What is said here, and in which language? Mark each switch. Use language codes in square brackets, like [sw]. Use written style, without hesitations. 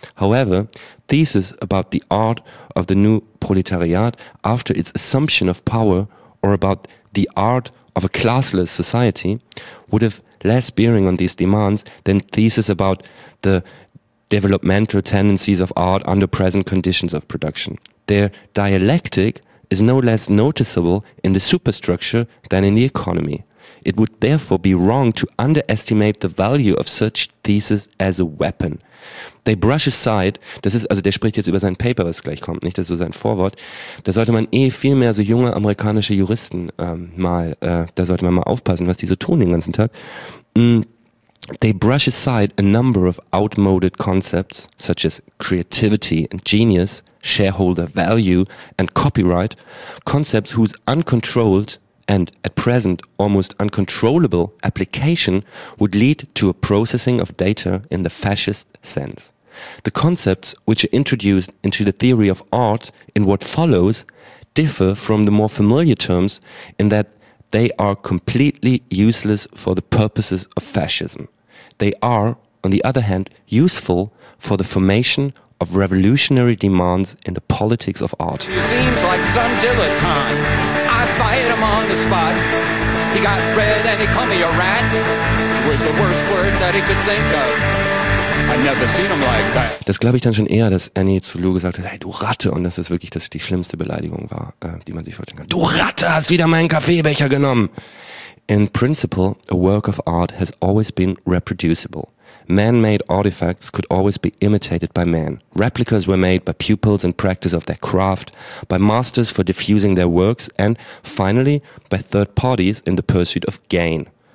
[en] However, theses about the art of the new proletariat after its assumption of power or about the art of a classless society would have less bearing on these demands than theses about the developmental tendencies of art under present conditions of production. Their dialectic is no less noticeable in the superstructure than in the economy. It would therefore be wrong to underestimate the value of such theses as a weapon. They brush aside, [de] das ist, also der spricht jetzt über sein Paper, was gleich kommt, nicht? Das ist so sein Vorwort. Da sollte man eh viel mehr so junge amerikanische Juristen da sollte man mal aufpassen, was die so tun den ganzen Tag. [en] They brush aside a number of outmoded concepts, such as creativity and genius, shareholder value and copyright, concepts whose uncontrolled and at present almost uncontrollable application would lead to a processing of data in the fascist sense. The concepts which are introduced into the theory of art in what follows differ from the more familiar terms in that they are completely useless for the purposes of fascism. They are, on the other hand, useful for the formation of revolutionary demands in the politics of art. It seems like some dilettante. I fight him on the spot. He got red and he called me a rat. It was the worst word that he could think of. I've never seen him like that. [de] Das glaube ich dann schon eher, dass Annie zu Lou gesagt hat, hey, du Ratte, und dass das wirklich das die schlimmste Beleidigung war, die man sich vorstellen kann. Du Ratte, hast wieder meinen Kaffeebecher genommen. [en] In principle, a work of art has always been reproducible. Man-made artifacts could always be imitated by man. Replicas were made by pupils in practice of their craft, by masters for diffusing their works, and finally, by third parties in the pursuit of gain.